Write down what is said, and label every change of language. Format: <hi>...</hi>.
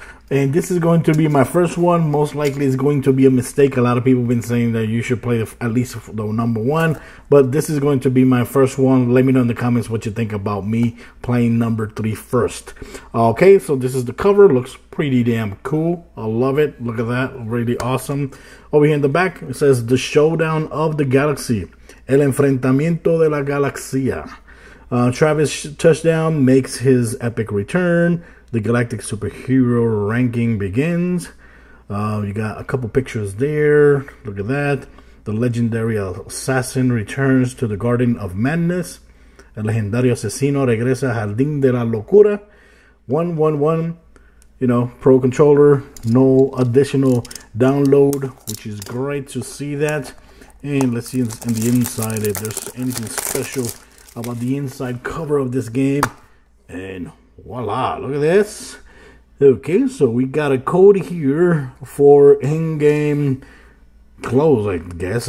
<en>And this is going to be my first one. Most likely it's going to be a mistake. A lot of people have been saying that you should play at least the number one. But this is going to be my first one. Let me know in the comments what you think about me playing number three first. Okay, so this is the cover. Looks pretty damn cool. I love it. Look at that. Really awesome. Over here in the back, it says The Showdown of the Galaxy.</en> <es>El Enfrentamiento de la Galaxia.</es> <en>Travis Touchdown makes his epic return. The Galactic Superhero Ranking begins. You got a couple pictures there. Look at that. The Legendary Assassin returns to the Garden of Madness.</en> <es>El Legendario Asesino regresa al Jardín de la Locura.</es> <en>1-1-1. You know, Pro Controller. No additional download, which is great to see that. And let's see in the inside if there's anything special about the inside cover of this game. And voila, look at this. Okay, so we got a code here for in-game clothes, I guess.</en>